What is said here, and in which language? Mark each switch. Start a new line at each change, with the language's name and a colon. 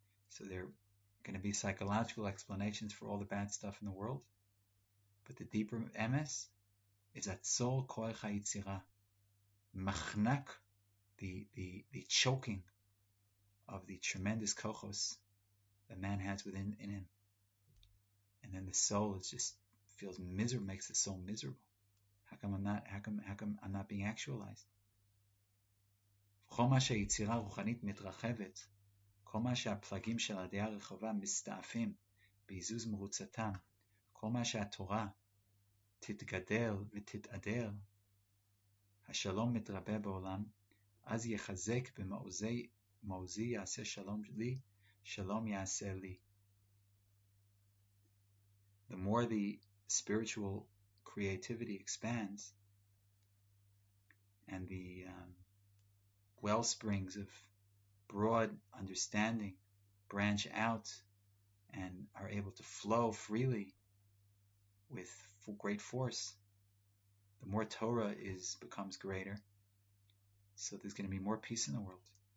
English: So there are going to be psychological explanations for all the bad stuff in the world, but the deeper MS is that soul
Hebrew: koach ha'yitzira, machnak,
English: the choking of the tremendous kochos the man has within in him. And then the soul is just feels miserable, makes the soul miserable. How come I'm not being actualized?
Hebrew: כל מה שהיצירה הרוחנית מתרחבת, כל מה שהפלגים של הדעה הרחבה מסתעפים בעיזוז מרוצתם, כל מה שהתורה תתגדל ותתעדר, השלום מתרבה בעולם, אז יחזק במעוזי יעשה שלום לי, שלום יעשה לי.
English: The more the spiritual creativity expands and the wellsprings of broad understanding branch out and are able to flow freely with great force, the more Torah becomes greater, so there's going to be more peace in the world.